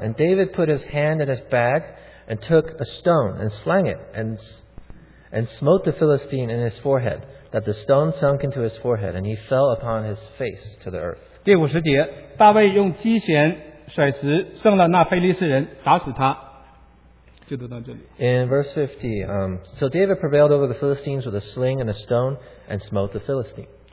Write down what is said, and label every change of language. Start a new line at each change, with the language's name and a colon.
English: And David put his hand in his bag, and took a stone, and slung it, and smote the Philistine in his forehead. That the stone sunk into his forehead, and he fell upon his face to the earth.
Chinese: 第50节，大卫用机弦甩石胜了那非利士人，打死他。就读到这里。
English: In verse 50, so David prevailed over the Philistines with a sling and a stone, and smote the Philistine.